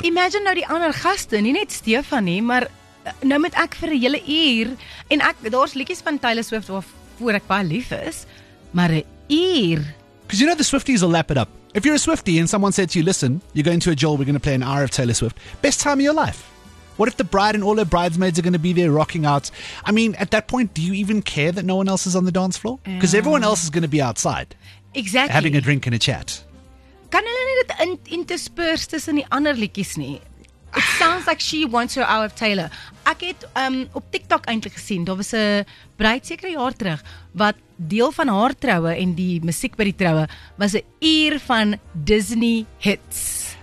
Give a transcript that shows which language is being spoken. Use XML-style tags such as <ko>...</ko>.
<af>Imagine nou die ander gaste, nie net Stefan nie, maar nou moet ek vir 'n hele uur en ek daar's liedjies van Taylor Swift waarvoor ek baie lief is, maar 'n uur.</af> <en>Because you know the Swifties will lap it up. If you're a Swiftie and someone said to you, listen, you're going to a Joel, we're going to play an hour of Taylor Swift. Best time of your life. What if the bride and all her bridesmaids are going to be there rocking out? I mean, at that point, do you even care that no one else is on the dance floor? Because everyone else is going to be outside. Exactly. Having a drink and a chat.</en> <af>Kan hulle nie dit intersperse tussen die ander liedjies nie?</af> <en>It sounds like she wants her hour of Taylor.</en> <af>Ek het op TikTok eintlik gesien, daar was 'n bruid sekere jaar terug, wat deel van haar troue en die musiek by die troue was 'n uur van Disney hits.</af>